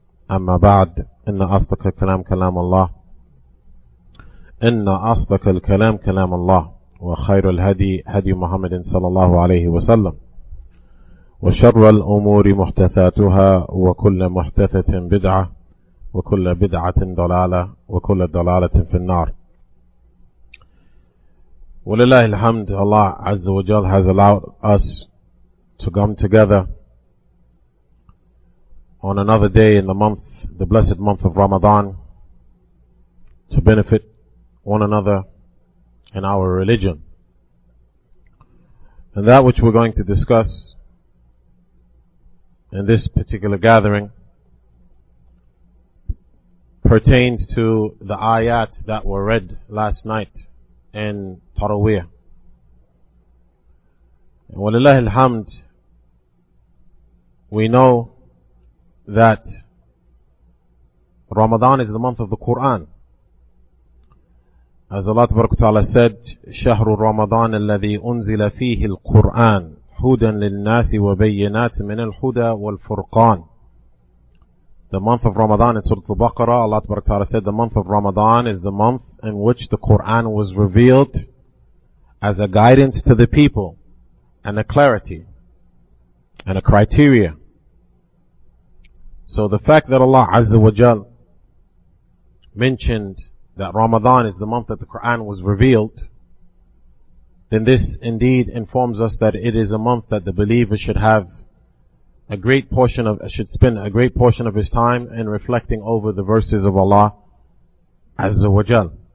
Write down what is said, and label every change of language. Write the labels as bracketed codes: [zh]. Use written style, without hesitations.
[ar] أما بعد، إن أصدق الكلام كلام الله، إن أصدق الكلام كلام الله، وخير الهدي هدي محمد صلى الله عليه وسلم، وشر الأمور محدثاتها، وكل محدثة بدعة، وكل بدعة ضلالة، وكل ضلالة في النار. ولله الحمد، [en] الله عز وجل has allowed us to come together on another day in the month, the blessed month of Ramadan, to benefit one another in our religion. And that which we're going to discuss in this particular gathering pertains to the ayat that were read last night in Tarawih. And [ar] walillah alhamd, [en] we know that Ramadan is the month of the Quran. As Allah tabaraka wa ta'ala said, [ar] شهر رمضان الذي أنزل فيه القرآن هدى للناس وبينات من الهدى والفرقان. [en] The month of Ramadan in Surah Al-Baqarah, Allah Ta'ala said, the month of Ramadan is the month in which the Quran was revealed as a guidance to the people, and a clarity, and a criteria. So the fact that Allah Azza wa Jal mentioned that Ramadan is the month that the Quran was revealed, then this indeed informs us that it is a month that the believer should have should spend a great portion of his time in reflecting over the verses of Allah Azza wa Jal.